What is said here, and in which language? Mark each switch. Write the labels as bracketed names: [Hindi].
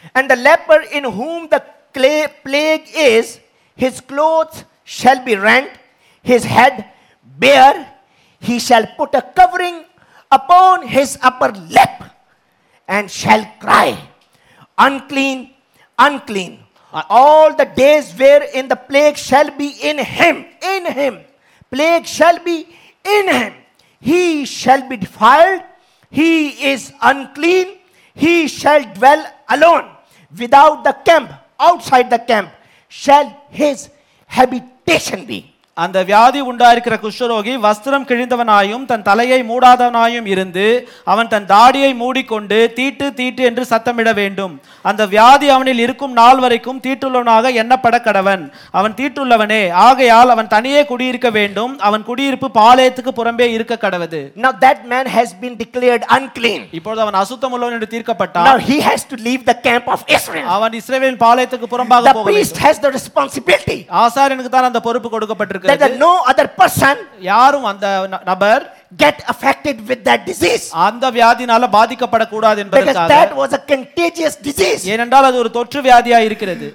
[English] and the leper in whom the clay plague is his clothes shall be rent his head bare he shall put a covering upon his upper lip and shall cry unclean unclean all the days where in the plague shall be in him plague shall be in him he shall be defiled he is unclean he shall dwell alone without the camp outside the camp shall his habitation be [Tamil] அந்த வியாதி உண்டாயிருக்கிற குஷ்டரோகி வஸ்திரம் கிழிந்தவனாயும் தன் தலையை மூடாதவனாயும் இருந்து அவன் தன் தாடியை மூடிக்கொண்டு தீட்டு தீட்டு என்று சத்தமிட வேண்டும் அந்த வியாதி அவனில் இருக்கும் நாள் வரைக்கும் தீட்டுள்ளவனாக எண்ணப்பட கடவன் அவன் தீட்டுள்ளவனே ஆகையால் அவன் தனியே குடியிருக்க வேண்டும் அவன் குடியிருப்பு பாளையத்துக்கு புறம்பே இருக்க கடவது [English] Now that man has been declared unclean [Tamil] இப்போது அவன் அசுத்தமுள்ளவன் என்று தீர்க்கப்பட்டான் [English] Now he has to leave the camp of Israel [Tamil] அவன் இஸ்ரவேலின் பாளையத்துக்கு புறம்பாக போக வேண்டும் [English] The priest has the responsibility [Tamil] ஆசாரியனுக்கு தான் அந்த பொறுப்பு கொடுக்கப்பட்டது [English] that the no other person [Tamil] யாரும் அந்த நபர் [English] get affected with that disease [Tamil] அந்த வியாதியால பாதிக்கப்பட கூடாது என்பதற்காக [English] because that was a contagious disease [Tamil] ஏனென்றால் அது ஒரு தொற்று வியாதியா இருக்கிறது